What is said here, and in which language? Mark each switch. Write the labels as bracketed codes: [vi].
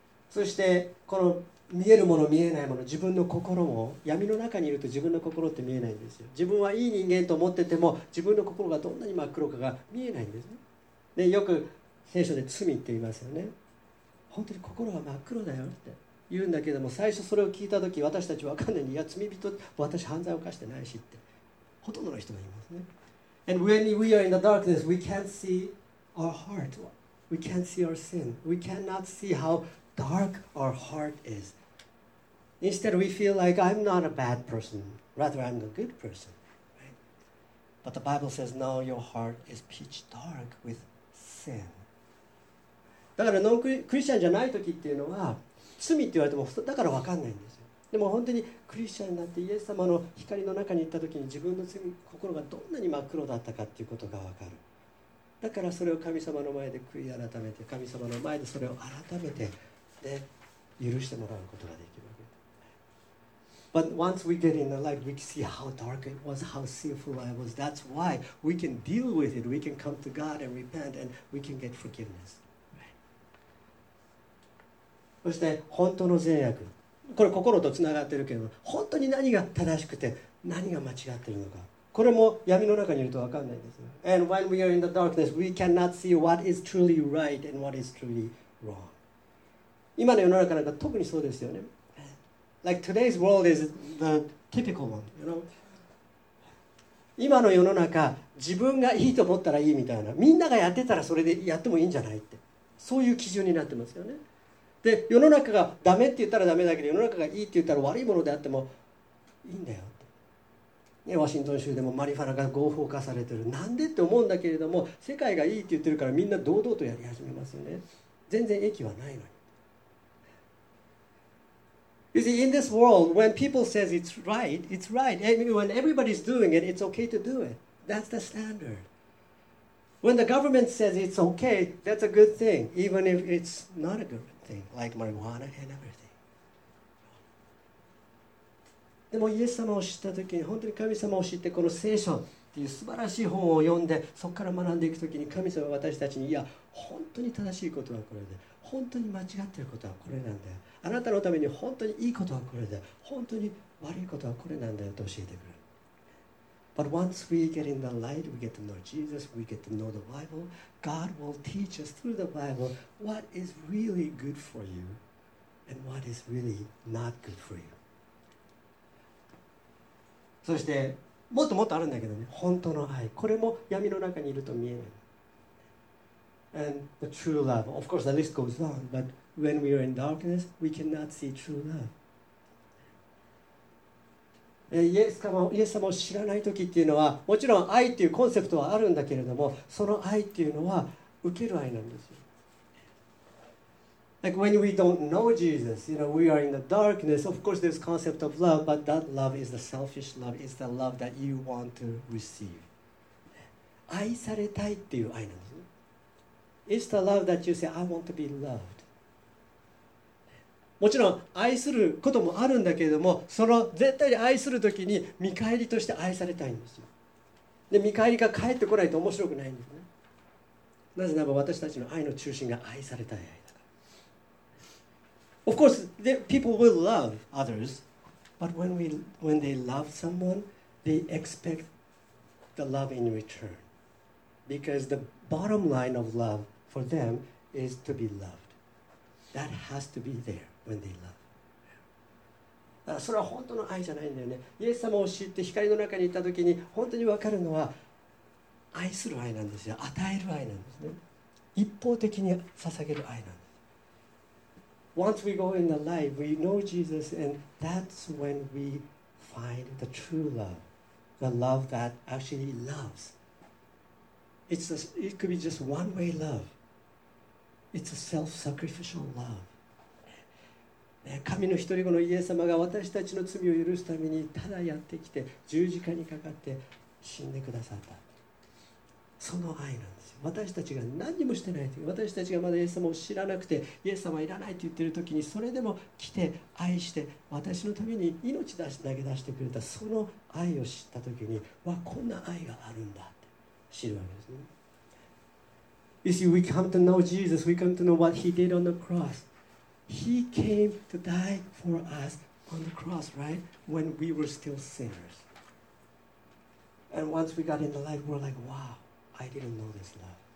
[ja] そしてこの見えるもの見えないもの、自分の心も闇の中にいると自分の心って見えないんですよ。自分はいい人間と思ってても自分の心がどんなに真っ黒かが見えないんですね。よく聖書で罪って言いますよね。本当に心が真っ黒だよって、言うんだけども、最初それを聞いたとき、私たちは分かんないに、いや、罪人、私犯罪を犯してないしって、ほとんどの人が言いますね。 [en] And when we are in the darkness, we can't see our heart. We can't see our sin. We cannot see how dark our heart is. Instead, we feel like I'm not a bad person. Rather, I'm a good person. But the Bible says, no, your heart is pitch dark with sin. [ja] だからノンクリスチャンじゃない時っていうのは罪って言われてもだから分かんないんですよ。でも本当にクリスチャンになってイエス様の光の中に行った時に自分の罪、心がどんなに真っ黒だったかっていうことが分かる。だからそれを神様の前で悔い改めて、神様の前でそれを改めてで許してもらうことができる。 [en] But once we get in the light, we can see how dark it was, how sinful I was. That's why we can deal with it. We can come to God and repent, and we can get forgiveness. [ja] そして本当の善悪、これ心とつながってるけど、本当に何が正しくて何が間違ってるのか、これも闇の中にいると分かんないです。 [en] And when we are in the darkness, we cannot see what is truly right and what is truly wrong. [ja] 今の世の中なんか特にそうですよね。 [en] Like today's world is the typical one, you know? [ja] 今の世の中、自分がいいと思ったらいいみたいな、みんながやってたらそれでやってもいいんじゃないって、そういう基準になってますよね。で、世の中がダメって言ったらダメだけど、世の中がいいって言ったら悪いものであってもいいんだよって、ね、ワシントン州でもマリファナが合法化されてる、なんでって思うんだけれども、世界がいいって言ってるからみんな堂々とやり始めますよね。全然益はないのに。 [en] You see, in this world, when people says it's right, it's right. When everybody's doing it, it's okay to do it. That's the standard. When the government says it's okay, that's a good thing, even if it's not a good thing, like marijuana and everything. [ja] でもイエス様を知った時に、本当に神様を知って、この聖書っていう素晴らしい本を読んで、そこから学んでいく時に、神様は私たちに、いや、本当に正しいことはこれで、本当に間違ってることはこれなんだよ、あなたのために本当にいいことはこれで、本当に悪いことはこれなんだよと教えてくれる。 [en] But once we get in the light, we get to know Jesus, we get to know the Bible, God will teach us through the Bible what is really good for you and what is really not good for you. [ja] そしてもっともっとあるんだけどね、本当の愛、これも闇の中にいると見えない。 [en] And the true love. Of course, the list goes on. But when we are in darkness, we cannot see true love. [ja] イエス様を知らない時っていうのは、もちろん愛っていうコンセプトはあるんだけれども、その愛っていうのは受ける愛なんですよ。 [en] Like when we don't know Jesus, you know, we are in the darkness. Of course, there's concept of love, but that love is the selfish love. It's the love that you want to receive. [ja] 愛されたいっていう愛なんですね。 [en] It's the love that you say, I want to be loved. [ja] もちろん愛することもあるんだけれども、その絶対に愛するときに見返りとして愛されたいんですよ。で、見返りが返ってこないと面白くないんですね。なぜならば私たちの愛の中心が愛されたい愛だから。 [en] Of course, the people will love others, but when they love someone, they expect the love in return. Because the bottom line of love for them is to be loved. That has to be there when they love. [ja] だからそれは本当の愛じゃないんだよね。イエス様を知って光の中に行った時に本当に分かるのは愛する愛なんですよ。与える愛なんですね。一方的に捧げる愛なんです。 [en] Once we go in the light, we know Jesus, and that's when we find the true love, the love that actually loves. It could be just one way love. It's a self-sacrificial love. [ja] 神の一人子のイエス様が私たちの罪を許すためにただやってきて十字架にかかって死んでくださった。その愛なんですよ。私たちが何もしてない時、私たちがまだイエス様を知らなくてイエス様いらないと言っている時に、それでも来て愛して私のために命出して投げ出してくれた、その愛を知った時に、わ、こんな愛があるんだ。 [en] You see, we come to know Jesus. We come to know what He did on the cross. He came to die for us on the cross, right? When we were still sinners. And once we got in the light, we're like, wow, I didn't know this love.